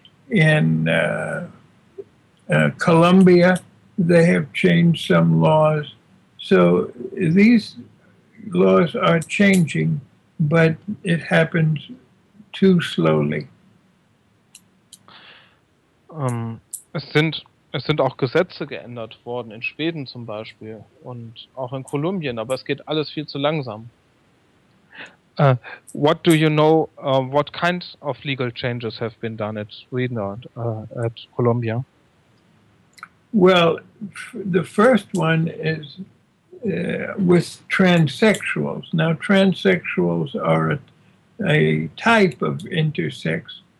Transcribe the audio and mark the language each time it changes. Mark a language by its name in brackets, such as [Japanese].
[English] In Colombia, they have changed some laws. So these laws are changing, but it happens too slowly. [German] Es sind auch Gesetze geändert worden, in Schweden zum Beispiel und auch in Kolumbien, aber es geht alles viel zu langsam. [English] What do you know, what kinds of legal changes have been done at Sweden or at Colombia? Well, the first one is with transsexuals. Now, transsexuals are a type of intersex,